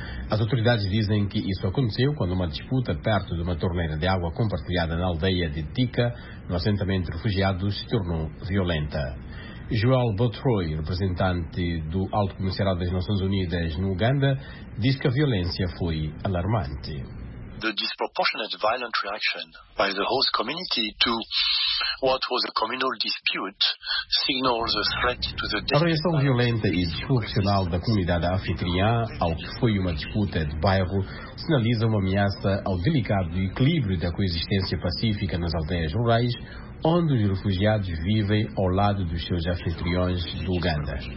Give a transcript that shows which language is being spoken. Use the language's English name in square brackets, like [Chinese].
[Portuguese] As autoridades dizem que isso aconteceu quando uma disputa perto de uma torneira de água compartilhada na aldeia de Tika, no assentamento de refugiados, se tornou violenta. Joel Botroy, representante do Alto Comissariado das Nações Unidas no Uganda, diz que a violência foi alarmante. [English] The disproportionate violent reaction by the host community to what was a communal dispute signals a threat to the [Portuguese] A reação violenta e desproporcional da comunidade anfitriã ao que foi uma disputa de bairro sinaliza uma ameaça ao delicado equilíbrio da coexistência pacífica nas aldeias rurais, onde os refugiados vivem ao lado dos seus anfitriões do Uganda.